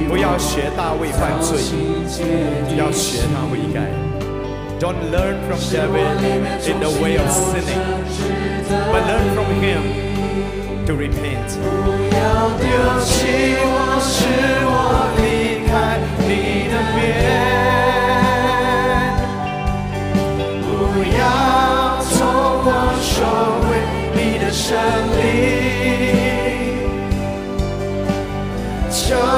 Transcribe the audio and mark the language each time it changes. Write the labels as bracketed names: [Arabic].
[Chinese] 不要学大卫犯罪，要学他悔改. [English] Don't learn from David in the way of sinning, but learn from him to repent. [Chinese] 不要丢弃我，是我离开你的面，不要从我收回你的圣灵，求